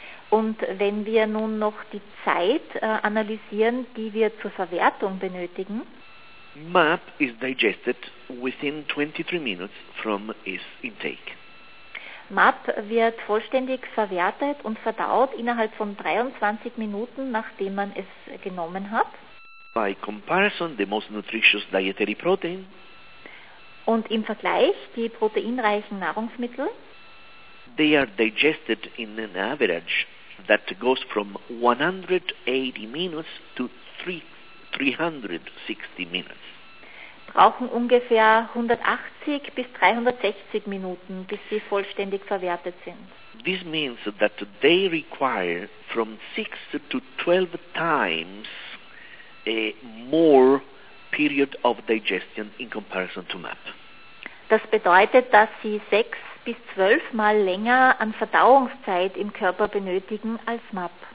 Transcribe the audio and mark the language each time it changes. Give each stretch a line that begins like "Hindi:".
German: Und wenn wir nun noch die Zeit analysieren, die wir zur Verwertung benötigen.
English: MAP is digested within 23 minutes from its intake.
German: MAP wird vollständig verwertet und verdaut innerhalb von 23 Minuten, nachdem man es genommen hat.
English: By comparison, the most nutritious dietary protein.
German: Und im Vergleich, die proteinreichen Nahrungsmittel.
English: They are digested in an average that goes from 180 minutes to 360 minutes.
German: Brauchen ungefähr 180 bis 360 Minuten, bis sie vollständig verwertet sind.
English: This means that they require from 6 to 12 times a more period of digestion in comparison to MAP.
German: Das bedeutet, dass sie 6 bis 12 Mal länger an Verdauungszeit im Körper benötigen als MAP.